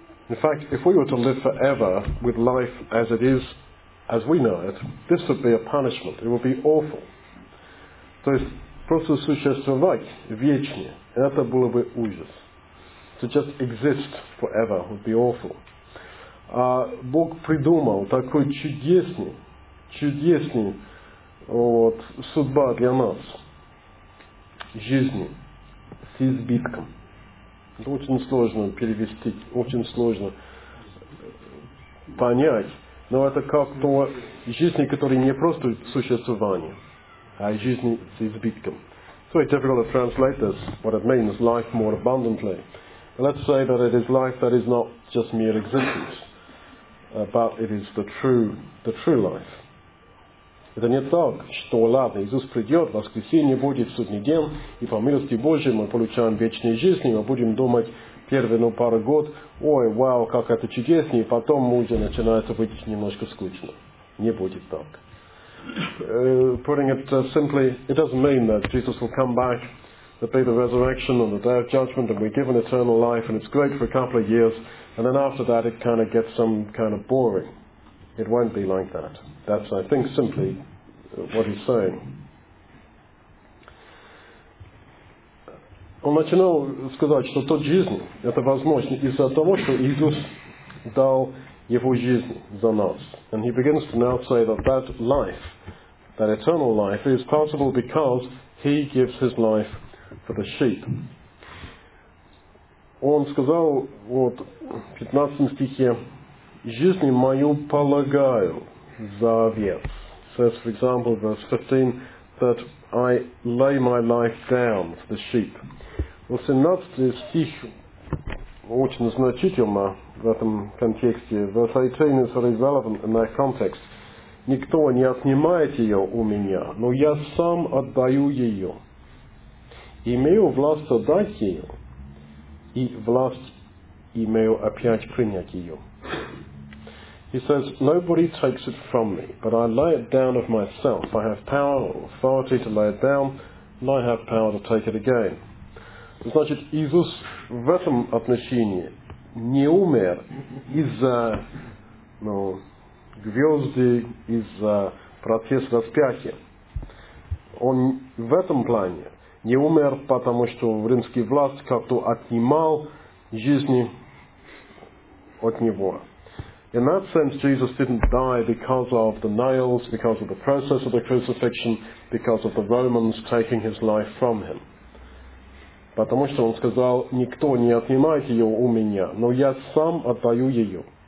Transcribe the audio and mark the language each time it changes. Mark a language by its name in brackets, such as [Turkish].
[English] In fact, if we were to live forever with life as it is, as we know it, this would be a punishment. It would be awful. [Russian] То есть просто существовать вечно, это было бы ужас. [English] To just exist forever would be awful. [Russian] А Бог придумал такой чудесный судьба для нас. Жизни с избитком. Это очень сложно перевести, очень сложно понять. Но это как то жизни, которая не просто существование, а жизни с избитком. [English] very difficult to translate this, what it means, life more abundantly. But let's say that it is life that is not just mere existence, but it is the true life. [Russian] Это не так, что ладно, Иисус придет, воскресенье будет, судный день, и по милости Божьей мы получаем вечную жизнь, и мы будем думать первые пару год, ой, вау, как это чудесно, и потом уже начинается быть немножко скучно. Не будет так. [English] Putting it simply, it doesn't mean that Jesus will come back, that be the resurrection on the day of judgment, and we're given eternal life, and it's great for a couple of years, and then after that it kind of gets some kind of boring. It won't be like that. That's, I think, simply what he's saying. [Russian] Он начинал сказать, что тот жизнь, это возможно из-за того, что Иисус дал его жизнь за нас. [English] And he begins to now say that that life, that eternal life, is possible because he gives his life for the sheep. [Russian] Он сказал, вот, в 15 стихе, жизнь мою полагаю за овец. [English] Says, for example, verse 15, that I lay my life down for the sheep. Well, [Russian] 17 стих очень значительно в этом контексте. [English] Verse 18 is very relevant in that context. [Russian] Никто не отнимает ее у меня, но я сам отдаю ее. Имею власть отдать ее, и власть имею опять принять ее. [English] He says, nobody takes it from me, but I lay it down of myself. I have power or authority to lay it down, and I have power to take it again. [Russian] Значит, Иисус в этом отношении не умер из-за, ну, звезды, из-за процесса распятия. Он в этом плане не умер, потому что римский власть как-то отнимал жизни от него. [English] In that sense, Jesus didn't die because of the nails, because of the process of the crucifixion, because of the Romans taking his life from him. [Russian] Потому что он сказал, никто не отнимает ее у меня, но я сам отдаю ее.